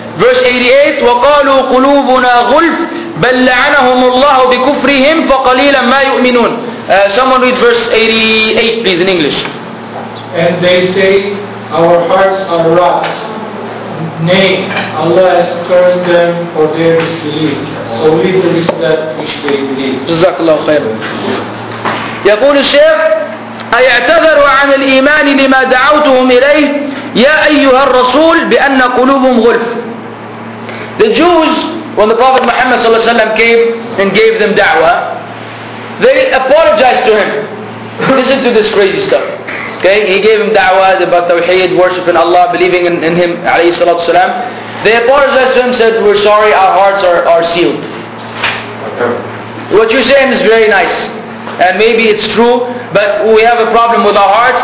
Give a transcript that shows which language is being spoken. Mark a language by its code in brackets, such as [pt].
[en] Verse 88, [ar] وَقَالُوا قُلُوبُنَا غُلْفٌ بَلْ لَعَنَهُمُ اللَّهُ بِكُفْرِهِمْ فَقَلِيلًا مَا يُؤْمِنُونَ. [en] Someone read verse 88 please in English. And they say, our hearts are rocked. Nay, Allah has cursed them for their disbelief. So we believe that which they believe. Jazakallahu khair. [ar] يقول الشيخ أيعتذروا عن الإيمان لما دعوتهم إليه يا أيها الرسول بأن قلوبهم غلف. [en] The Jews, when the Prophet Muhammad sallallahu alaihi wasallam came and gave them da'wah, they apologized to him. Listen to this crazy stuff. Okay, he gave him da'wah about tawheed, worship in Allah, believing in him alayhi salatu wasalam. They apologized to him, said, we're sorry, our hearts are sealed. What you're saying is very nice, and maybe it's true, but we have a problem with our hearts.